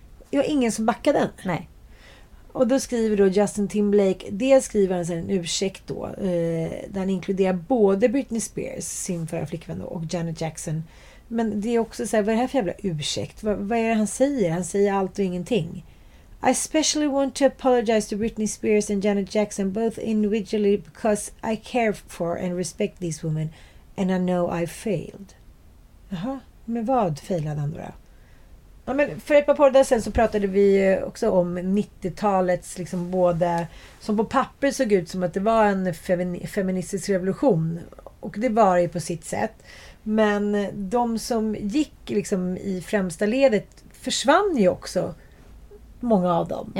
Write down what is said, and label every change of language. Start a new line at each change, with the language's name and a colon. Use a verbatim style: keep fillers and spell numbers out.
Swedish: Det var ingen som backade den. Nej. Och då skriver då Justin Timberlake, det skriver han sedan en ursäkt då, eh, där han inkluderar både Britney Spears, sin förra flickvän då, och Janet Jackson. Men det är också så här, vad är det här för jävla ursäkt? Vad, vad är det han säger? Han säger allt och ingenting.
English: I especially want to apologize to Britney Spears and Janet Jackson, both individually because I care for and respect these women and I know I failed.
Swedish: Jaha, men vad failade han då? Ja, men för ett par poddar sen så pratade vi också om nittiotalets liksom både, som på papper såg ut som att det var en femi- feministisk revolution, och det var det på sitt sätt, men de som gick liksom i främsta ledet försvann ju också, många av dem.